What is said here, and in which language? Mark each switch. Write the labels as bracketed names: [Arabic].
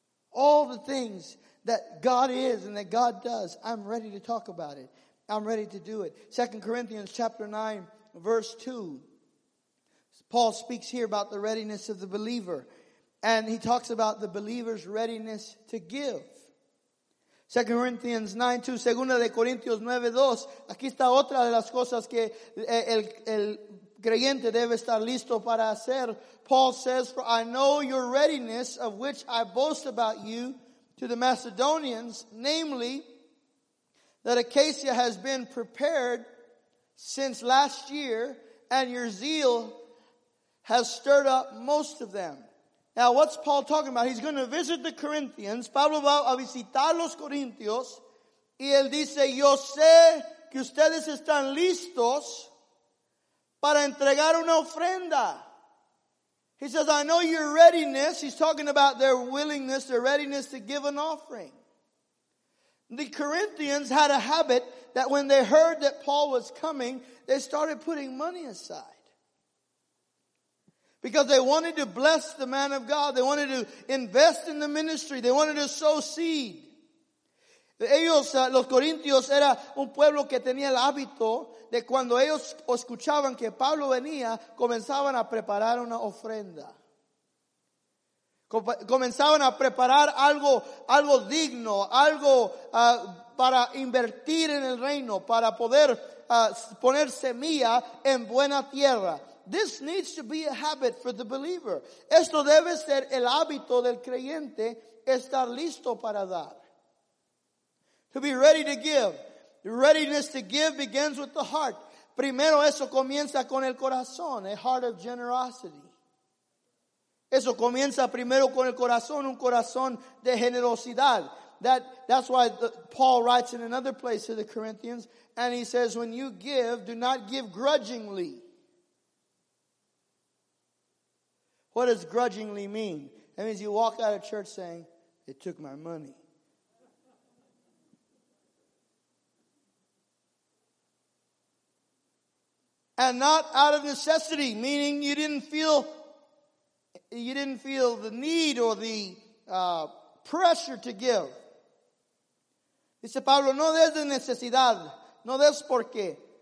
[English] All the things that God is and that God does, I'm ready to talk about it. I'm ready to do it. 2 Corinthians chapter 9, verse 2. Paul speaks here about the readiness of the believer. And he talks about the believer's readiness to give. 2 Corinthians 9, 2. [Spanish] Segunda de Corintios 9, 2. Aquí está otra de las cosas que el creyente debe estar listo para hacer. [English] Paul says, "For I know your readiness, of which I boast about you to the Macedonians, namely, that Achaia has been prepared since last year, and your zeal has stirred up most of them." Now, what's Paul talking about? He's going to visit the Corinthians. [Spanish] Pablo va a visitar los Corintios. Y él dice, yo sé que ustedes están listos para entregar una ofrenda. [English] He says, I know your readiness. He's talking about their willingness, their readiness to give an offering. The Corinthians had a habit that when they heard that Paul was coming, they started putting money aside. Because they wanted to bless the man of God. They wanted to invest in the ministry. They wanted to sow seed. [Spanish] Ellos, los Corintios, era un pueblo que tenía el hábito de cuando ellos escuchaban que Pablo venía, comenzaban a preparar una ofrenda. Comenzaban a preparar algo digno, algo para invertir en el reino, para poder poner semilla en buena tierra. [English] This needs to be a habit for the believer. [Spanish] Esto debe ser el hábito del creyente, estar listo para dar. [English] To be ready to give. The readiness to give begins with the heart. [Spanish] Primero eso comienza con el corazón, [English] a heart of generosity. [Spanish] Eso comienza primero con el corazón, un corazón de generosidad. [English] That's why Paul writes in another place to the Corinthians, and he says, when you give, do not give grudgingly. What does grudgingly mean? That means you walk out of church saying, they took my money. And not out of necessity, meaning you didn't feel the need or the pressure to give. [Spanish] Dice Pablo, no des de necesidad, no des porque.